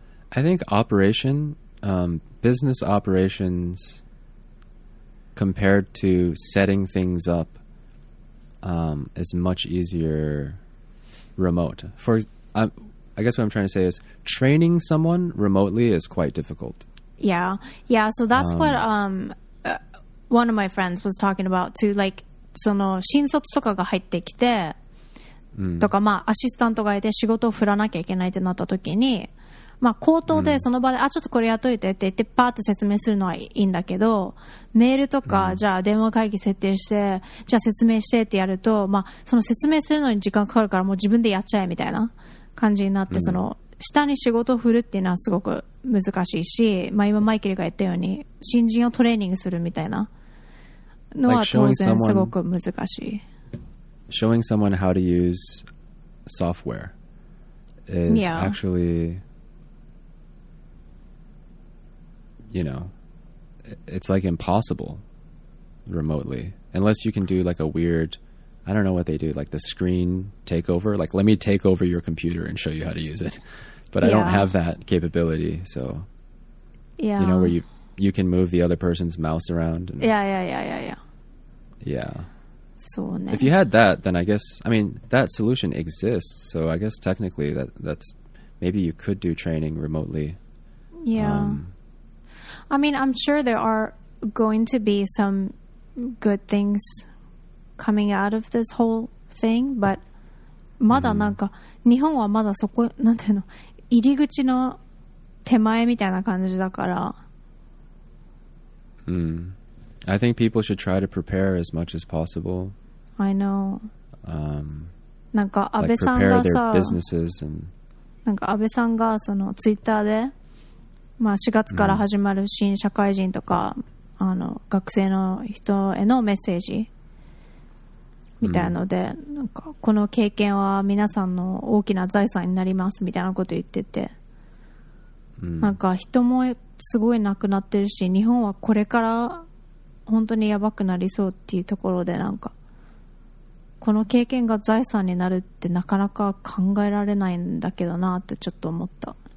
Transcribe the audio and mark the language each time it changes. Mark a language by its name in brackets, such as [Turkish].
[English] I think operation, business operations compared to setting things up is much easier remote. I guess what I'm trying to say is training someone remotely is quite difficult. Yeah. Yeah. So that's what one of my friends was talking about too. [Japanese] Like, その新卒とかが入ってきて、とか、まあ、アシスタントがいて仕事を振らなきゃいけないってなった時に、まあ、口頭でその場で、あ、ちょっとこれやっといてって言って、パーって説明するのはいいんだけど、メールとか、じゃあ電話会議設定して、じゃあ説明してってやると、まあ、その説明するのに時間かかるから、もう自分でやっちゃえみたいな感じになって、その、下に仕事を振るっていうのはすごく難しいし、まあ、今マイケルが言ったように、新人をトレーニングするみたいなのは当然すごく難しい。 [English] Showing someone how to use software is actually, you know, it's like impossible remotely, unless you can do like a weird, I don't know what they do, like the screen takeover, like let me take over your computer and show you how to use it. But I don't have that capability. So, you know, where you can move the other person's mouse around. And, Yeah. So if you had that, then I guess, I mean, that solution exists. So I guess technically that's maybe you could do training remotely. Yeah. I mean, I'm sure there are going to be some good things coming out of this whole thing, but [Japanese] まだなんか日本はまだそこなんていうの入り口の手前みたいな感じだから。 [English] I think people should try to prepare as much as possible. I know. [Japanese] なんか安倍さんがさ、なんか安倍さんがそのツイッターで、まあ4月から始まる新社会人とか、あの学生の人へのメッセージ。みたいなので、なんかこの経験は皆さんの大きな財産になりますみたいなこと言ってて、なんか人もすごい亡くなってるし、日本はこれから本当にやばくなりそうっていうところで、なんかこの経験が財産になるってなかなか考えられないんだけどなってちょっと思った。